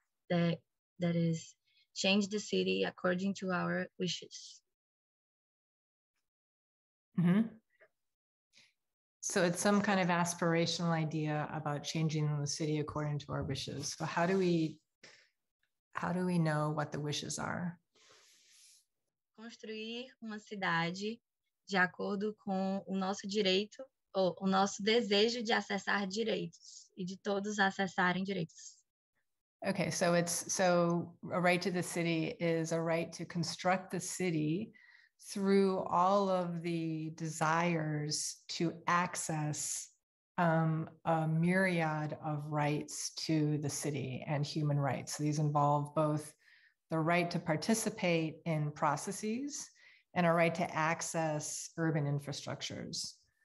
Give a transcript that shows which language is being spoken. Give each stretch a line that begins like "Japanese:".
English: That is, change the city according to our wishes. Mm-hmm. So it's some kind of aspirational idea about changing the city according to our wishes. So how do we know what the wishes are?
Portuguese: Construir uma cidade de acordo com o nosso direito ou o nosso desejo de acessar direitos e de todos acessarem direitos.
English: Okay, so a right to the city is a right to construct the city through all of the desires to access a myriad of rights to the city and human rights. So these involve both the right to participate in processes and a right to access urban infrastructures.